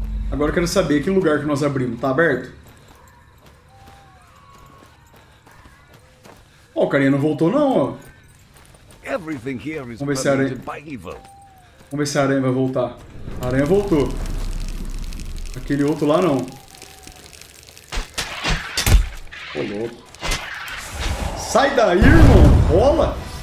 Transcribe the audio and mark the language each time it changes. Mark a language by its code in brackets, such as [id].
[pt] Agora eu quero saber que lugar que nós abrimos. Tá aberto? Ó, o carinha não voltou não, ó. [en] Everything here is permeated by evil. [pt] Vamos ver se a aranha vai voltar. A aranha voltou. Aquele outro lá não. Ô louco. Sai daí, irmão! Rola!